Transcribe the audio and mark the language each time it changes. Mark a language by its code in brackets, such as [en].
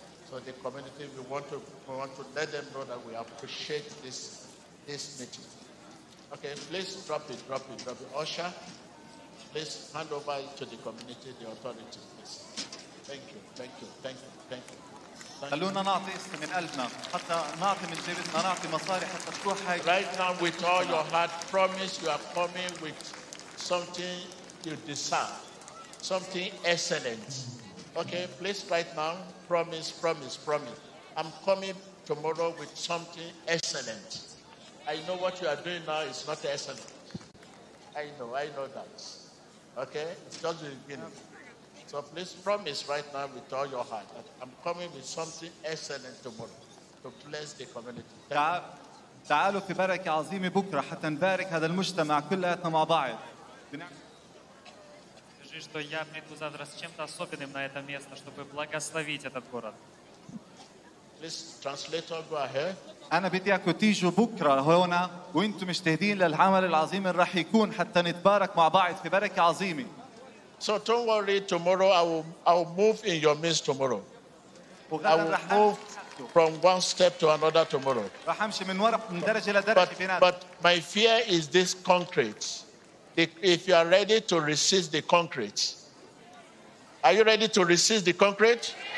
[en] So the community, we want to let them know that we appreciate this meeting. Okay, please drop it, drop it, drop it. Usher, please hand over to the community, the authority, please. Thank you, thank you, thank you, thank you. [ar] خلونا نعطي من قلبنا حتى نعطي من جيبنا نعطي مصاري حتى تروح هاي. [en] Right now with all your heart promise you are coming with something you desire, something excellent. Okay, please right now promise. I'm coming tomorrow with something excellent. I know what you are doing now is not excellent. I know that. Okay, it's just the beginning. So please promise right now with all your heart that I'm coming with something excellent tomorrow to bless the community. [ar] تعالوا في بركة عظيمة بكرة حتى نبارك هذا المجتمع كلياتنا مع بعض. [ru] Скажи, что я приду завтра с чем-то особенным на это место, чтобы благословить этот город. [en] Please translate over here. [ar] انا بدي اياكم تيجوا بكره هنا وانتم مجتهدين للعمل العظيم اللي راح يكون حتى نتبارك مع بعض في بركه عظيمه. [en] So don't worry, tomorrow I will move in your midst tomorrow. I will move from one step to another tomorrow. [ar] راح امشي من ورا من درجه لدرجه بيناتهم. [en] But my fear is this concrete. If you are ready to resist the concrete. Are you ready to resist the concrete?